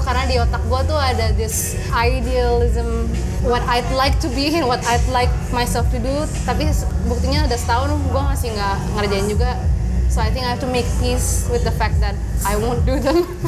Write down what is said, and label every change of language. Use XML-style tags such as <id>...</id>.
<id>Karena di otak gue tuh ada</id> <en>this idealism, what I'd like to be and what I'd like myself to do.</en> <id>Tapi buktinya udah setahun gue masih gak ngerjain juga.</id> <en>So I think I have to make peace with the fact that I won't do them.</en>